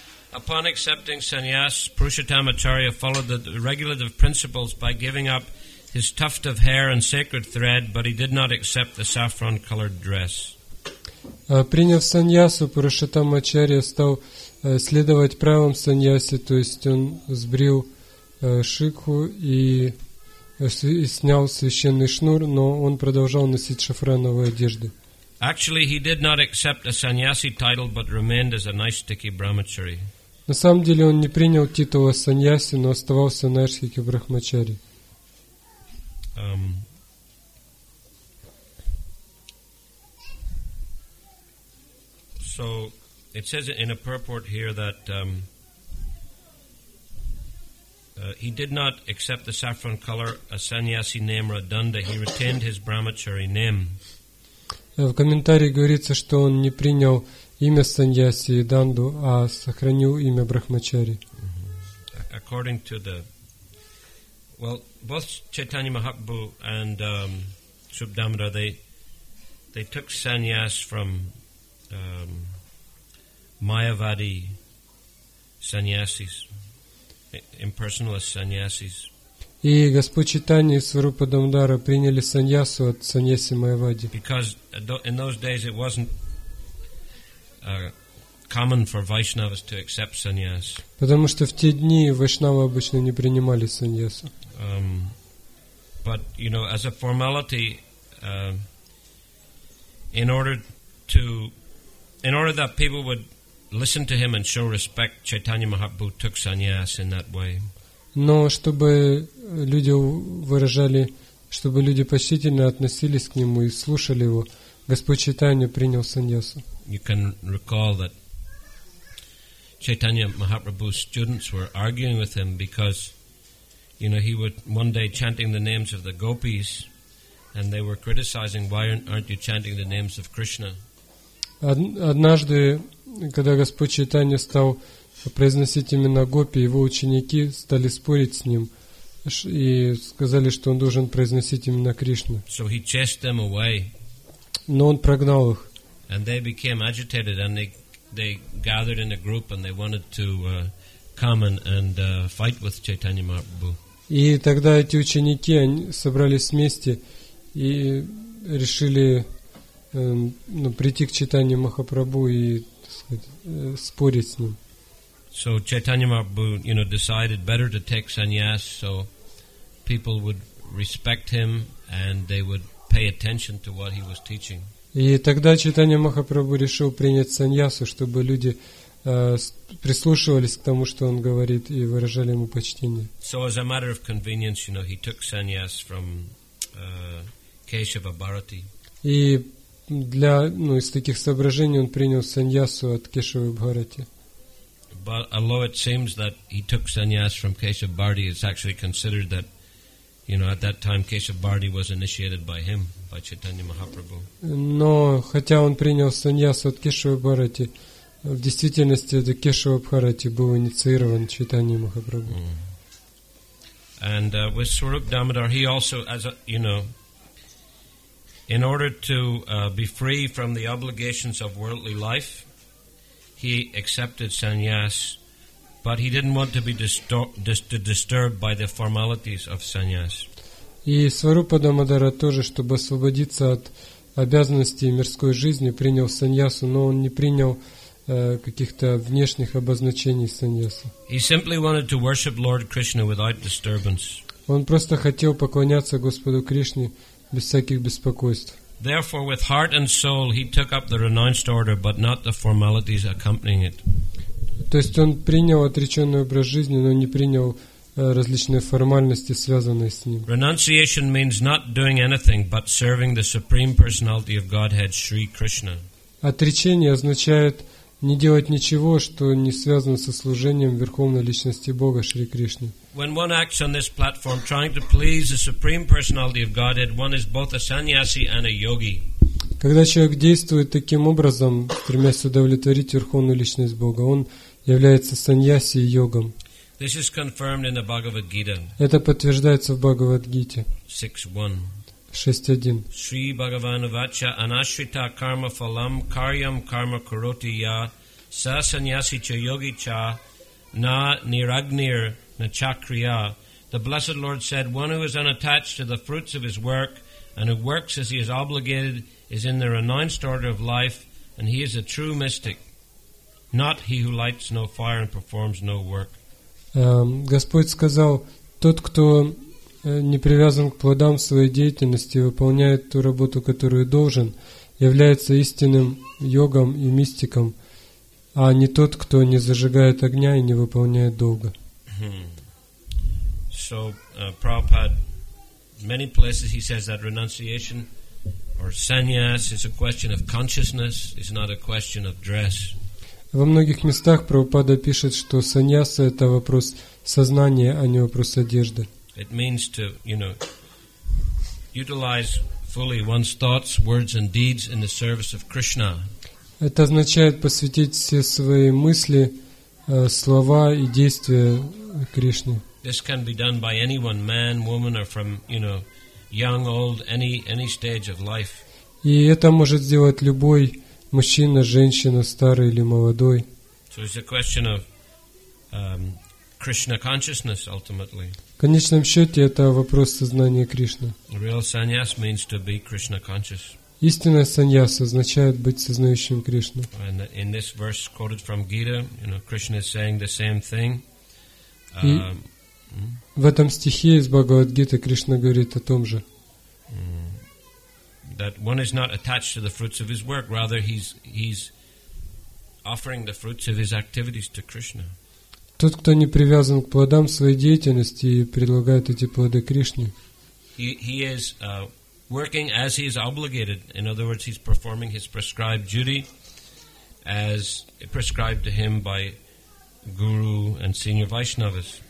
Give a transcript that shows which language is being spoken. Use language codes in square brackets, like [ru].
[en] Upon accepting sannyas, Purushottama Acharya followed the regulative principles by giving up his tuft of hair and sacred thread, but he did not accept the saffron-colored dress. [ru] Приняв саньясу, Пурушоттама Ачарья стал следовать правилам саньяси, то есть он сбрил шикху и снял священный шнур, но он продолжал носить шафрановые одежды. [en] Actually, he did not accept a sannyasi title, but remained as a Naishthika Brahmachari. [ru] На самом деле он не принял титула саньяси, но оставался Наишхике Брахмачари. [en] So it says in a purport here that he did not accept the saffron color, a sannyasi name or a danda. He retained his brahmachari name. [ru] В комментарии говорится, что он не принял имя саньяси и данду, а сохранил имя брахмачари. [en] According to the, well, both Chaitanya Mahaprabhu and Swarup Damodar, they took sannyas from Mayavadi sannyasis, impersonalist sannyasis. [ru] И Господь Чайтанья и Сварупа Дамодара приняли саньясу от саньяси Майавади. [en] Because in those days it wasn't common for Vaishnavas to accept sannyas. [ru] Потому что в те дни вайшнавы обычно не принимали саньясу. [en] But you know, as a formality, in order that people would listen to him and show respect, Chaitanya Mahaprabhu took sannyas in that way. [ru] Но чтобы люди выражали, чтобы люди почтительно относились к нему и слушали его, Господь Чайтанья принял саньясу. [en] You can recall that Chaitanya Mahaprabhu's students were arguing with him because, you know, he was one day chanting the names of the gopis, and they were criticizing, why aren't you chanting the names of Krishna? [ru] Однажды, когда Господь Чайтанья стал произносить имена гопи, его ученики стали спорить с ним и сказали, что он должен произносить имена Кришны. [en] So he chased them away. [ru] Но он прогнал их. [en] And they became agitated, and they gathered in a group, and they wanted to come and fight with Chaitanya Mahaprabhu. [ru] И тогда эти ученики, они собрались вместе и решили прийти к Чайтанье Махапрабху и, так сказать, спорить с ним. [en] So Chaitanya Mahaprabhu, you know, decided better to take sannyas so people would respect him and they would pay attention to what he was teaching. [ru] И тогда Чайтанья Махапрабху решил принять саньясу, чтобы люди прислушивались к тому, что он говорит, и выражали ему почтение. [en] So as a matter of convenience, you know, he took sannyas from Keshava Bharati. [ru] И для, ну, из таких соображений он принял саньясу от Кешавы Бхарати. [en] But although it seems that he took sannyas from Keshava Bharati, it's actually considered that, you know, at that time Keshava Bharati was initiated by him, by Chaitanya Mahaprabhu. [ru] Но хотя он принял саньясу от Кешавы Бхарати, в действительности это Кешава Бхарати был инициирован Чайтаньей Махапрабху. Mm. [en] And with Swarup Damodar, he also, as a, you know, in order to be free from the obligations of worldly life, he accepted sannyas, but he didn't want to be disturbed by the formalities of sannyas. [ru] И Сварупа Дамодара тоже, чтобы освободиться от обязанностей мирской жизни, принял саньясу, но он не принял каких-то внешних обозначений саньясы. [en] He simply wanted to worship Lord Krishna without disturbance. [ru] Он просто хотел поклоняться Господу Кришне без всяких беспокойств. [en] Therefore, with heart and soul, he took up the renounced order, but not the formalities accompanying it. [ru] То есть он принял отреченный образ жизни, но не принял различные формальности, связанные с ним. [en] Renunciation means not doing anything but serving the Supreme Personality of Godhead, Sri Krishna. [ru] Отречение означает не делать ничего, что не связано со служением Верховной Личности Бога, Шри Кришны. [en] When one acts on this platform trying to please the Supreme Personality of Godhead, one is both a sannyasi and a yogi. [ru] Когда человек действует таким образом, стремясь удовлетворить Верховную Личность Бога, он является саньяси и йогом. [en] This is confirmed in the Bhagavad Gita. [ru] Это подтверждается в Бхагавад-гите. [sa] 6.1. Shri Bhagavan Vacha Anashrita Karma Phalam Karyam Karma Kuroti Ya Sa Sanyasi Cha Yogi Cha Na Niragnir Na Chakriya. [en] The Blessed Lord said, one who is unattached to the fruits of his work and who works as he is obligated is in the renounced order of life, and he is a true mystic, not he who lights no fire and performs no work. [ru] Господь сказал, тот, кто не привязан к плодам своей деятельности, выполняет ту работу, которую должен, является истинным йогом и мистиком, а не тот, кто не зажигает огня и не выполняет долга. [en] So, Prabhupada, many places he says that renunciation or sannyas is a question of consciousness, it's not a question of dress. [ru] Во многих местах Прабхупада пишет, что саньяса – это вопрос сознания, а не вопрос одежды. [en] It means to, you know, utilize fully one's thoughts, words, and deeds in the service of Krishna. [ru] Это означает посвятить все свои мысли, слова и действия Кришне. [en] This can be done by anyone, man, woman, or from, you know, young, old, any stage of life. [ru] И это может сделать любой мужчина, женщина, старый или молодой. [en] So it's a question of Krishna consciousness, ultimately. [ru] В конечном счете, это вопрос сознания Кришны. [en] Real sannyas means to be Krishna conscious. [ru] Истинная саньяса означает быть сознающим Кришну. [en] And in this verse quoted from Gita, you know, Krishna is saying the same thing. [ru] В этом стихе из Бхагавад-гиты Кришна говорит о том же. [en] That one is not attached to the fruits of his work, rather he's offering the fruits of his activities to Krishna. [ru] Тот, кто не привязан к плодам своей деятельности и предлагает эти плоды Кришне. [en] He is working as he is obligated. In other words, he's performing his prescribed duty as prescribed to him by guru and senior Vaishnavas.